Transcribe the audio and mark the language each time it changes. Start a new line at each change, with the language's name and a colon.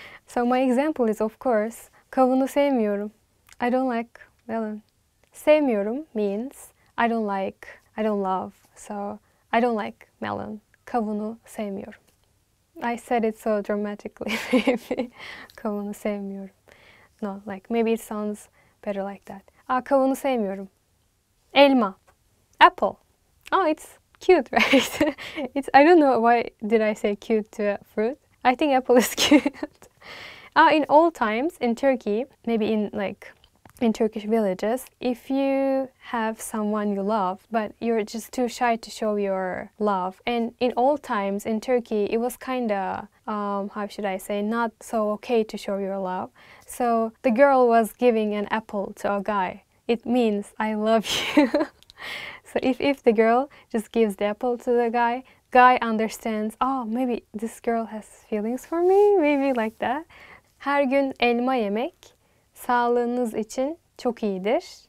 English: So my example is, of course,
Turkish: kavunu sevmiyorum.
English: I don't like melon.
Turkish: Sevmiyorum
English: means I don't like, I don't love. So I don't like melon.
Turkish: Kavunu sevmiyorum.
English: I said it so dramatically, maybe.
Turkish: Kavunu sevmiyorum.
English: No, like, maybe it sounds better like that.
Turkish: Kavunu sevmiyorum. Elma.
English: Apple. Oh, it's cute, right? It's, I don't know why did I say cute to a fruit. I think apple is cute. In old times, in Turkey, maybe in, like, in Turkish villages, if you have someone you love, but you're just too shy to show your love. And in old times in Turkey, it was kind of, how should I say, not so okay to show your love. So the girl was giving an apple to a guy. It means, I love you. So if the girl just gives the apple to the guy, understands, oh, maybe this girl has feelings for me, maybe like that.
Turkish: Her gün elma yemek sağlığınız için çok iyidir.